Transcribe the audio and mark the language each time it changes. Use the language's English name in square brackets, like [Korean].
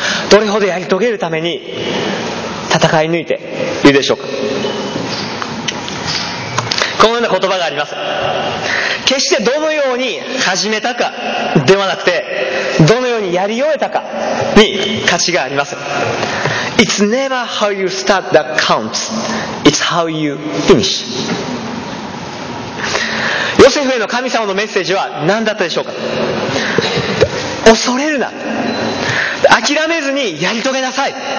[Japanese] どれほどやり遂げるために戦い抜いているでしょうか？このような言葉があります。決してどのように始めたかではなくて、どのようにやり終えたかに価値があります。 [English] It's never how you start that counts. It's how you finish. [Japanese] ヨセフへの神様のメッセージは何だったでしょうか？恐れるな、諦めずにやり遂げなさい。